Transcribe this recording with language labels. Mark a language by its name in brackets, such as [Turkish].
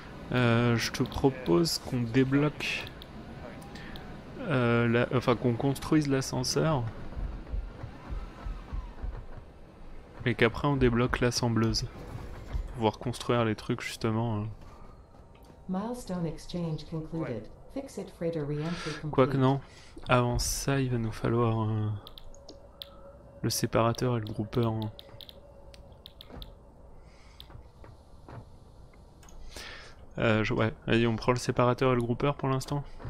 [French] Je te propose qu'on débloque. Enfin, qu'on construise l'ascenseur. Et qu'après, on débloque l'assembleuse. Pour pouvoir construire les trucs, justement. [English] Milestone exchange concluded. Ouais. Fix it freighter re-entry complete. [French] Quoique non, avant ça il va nous falloir le séparateur et le groupeur. Hein. Ouais, allez, on prend le séparateur et le groupeur pour l'instant.